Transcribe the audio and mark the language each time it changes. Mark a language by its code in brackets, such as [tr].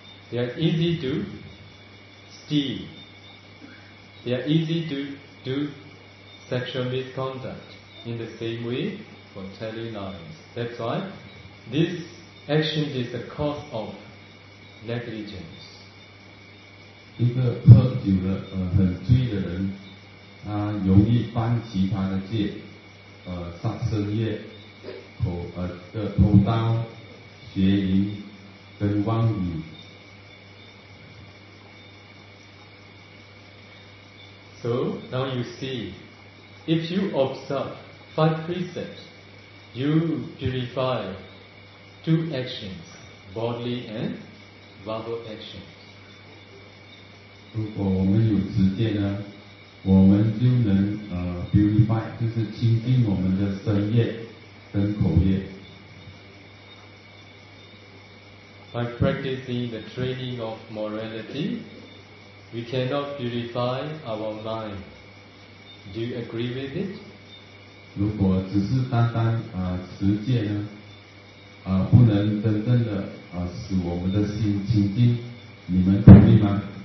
[en] They are easy to steal. They are easy to do sexual misconduct in the same way for telling lies. That's why this action is the cause of negligence. [zh] 一个喝酒的很醉的人，他容易犯其他的戒，杀生业，偷盗、邪淫跟妄语。 [en] So now you see, if you observe five precepts, you purify two actions, bodily and verbal actions. [zh] 如果我们有持戒呢，我们就能purify， 就是清净我们的身业跟口业。 [en] By practicing the training of morality, we cannot purify our mind. Do you agree with it? [zh] 如果只是单单持戒呢，不能真正的使我们的心清净，你们同意吗？